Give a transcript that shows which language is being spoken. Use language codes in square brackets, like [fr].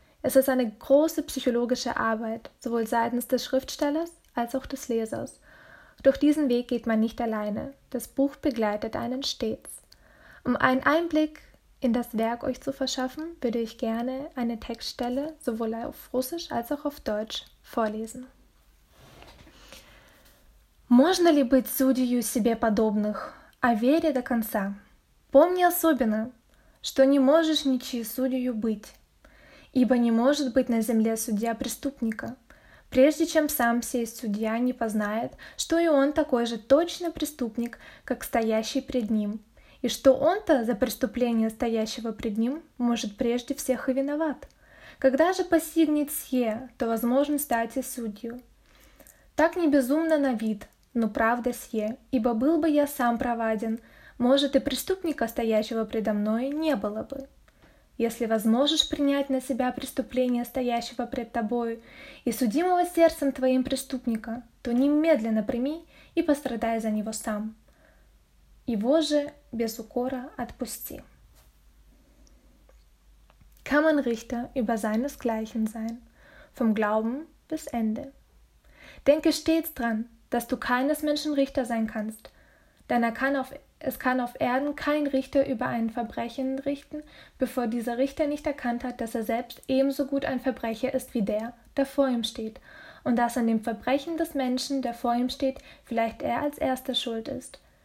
[de] Es ist eine große psychologische Arbeit, sowohl seitens des Schriftstellers als auch des Lesers. Durch diesen Weg geht man nicht alleine. Das Buch begleitet einen stets. Um einen Einblick in das Werk euch zu verschaffen, würde ich gerne eine Textstelle sowohl auf Russisch als auch auf Deutsch vorlесен. [ru] Можно ли быть судьей себе подобных, о вере до конца? Помни особенно, что не можешь ничьей судьей быть, ибо не может быть на земле судья преступника, прежде чем сам сей судья не познает, что и он такой же точно преступник, как стоящий пред ним, и что он-то за преступление стоящего пред ним может прежде всех и виноват. Когда же постигнет сие, то возможно стать и судью. Так не безумно на вид, но правда сие, ибо был бы я сам праведен, может, и преступника, стоящего предо мной, не было бы. Если возможешь принять на себя преступление, стоящего пред тобою, и судимого сердцем твоим преступника, то немедленно прими и пострадай за него сам. Его же без укора отпусти». [de] Kann man Richter über seinesgleichen sein, vom Glauben bis Ende. Denke stets dran, dass du keines Menschen Richter sein kannst, denn es kann auf Erden kein Richter über ein Verbrechen richten, bevor dieser Richter nicht erkannt hat, dass er selbst ebenso gut ein Verbrecher ist wie der, der vor ihm steht, und dass an dem Verbrechen des Menschen, der vor ihm steht, vielleicht er als erster schuld ist.